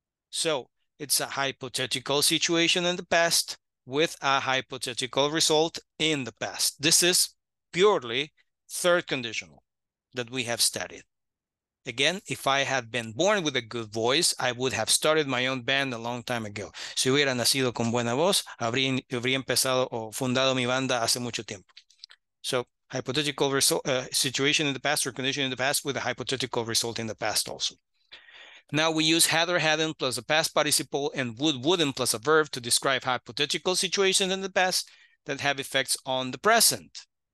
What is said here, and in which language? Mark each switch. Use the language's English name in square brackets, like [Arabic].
[English] So it's a hypothetical situation in the past with a hypothetical result in the past. This is purely third conditional that we have studied. Again, if I had been born with a good voice, I would have started my own band a long time ago. [Spanish] Si hubiera nacido con buena voz, habría empezado o fundado mi banda hace mucho tiempo. [English] So, hypothetical situation in the past or condition in the past with a hypothetical result in the past also. Now we use had or hadn't plus a past participle and would, wouldn't plus a verb to describe hypothetical situations in the past that have effects on the present.